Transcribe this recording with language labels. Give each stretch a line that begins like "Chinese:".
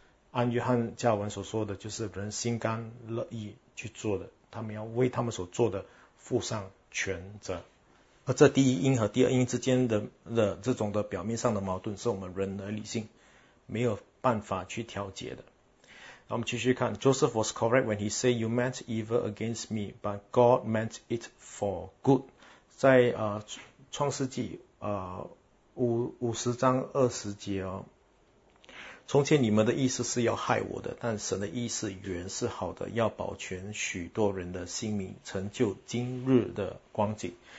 Chinese: 按约翰加尔文所说的，就是人心甘乐意去做的，他们要为他们所做的负上全责。而这第一因和第二因之间的这种的表面上的矛盾，是我们人的理性没有办法去调节的。那我们继续看
English: ，Joseph was correct when he said you meant evil against me, but God meant it for good。
Chinese: 在创世纪50:20，从前你们的意思是要害我的，但神的意思原是好的，要保全许多人的性命，成就今日的光景。